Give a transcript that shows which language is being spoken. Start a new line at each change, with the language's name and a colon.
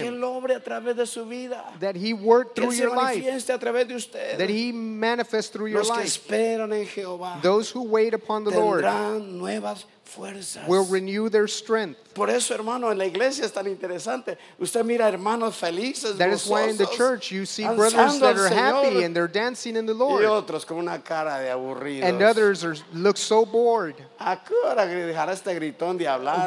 Spanish: Que él obre a través de su vida.
English: That he work through
Spanish: que
English: your life.
Spanish: Que se manifieste a través de usted.
English: That he manifest through your life.
Spanish: Los que esperan en Jehová.
English: Those who wait upon the Lord.
Spanish: Tendrán nuevas fuerzas.
English: Will renew their strength.
Spanish: Por eso, hermano, en la iglesia es tan interesante. Usted mira hermanos felices, gozosos.
English: That is why in the church you see brothers that are happy and they're dancing in the Lord.
Spanish: Y otros con una cara de aburridos.
English: And others look so bored.
Spanish: ¿A qué hora dejará este gritón de hablar?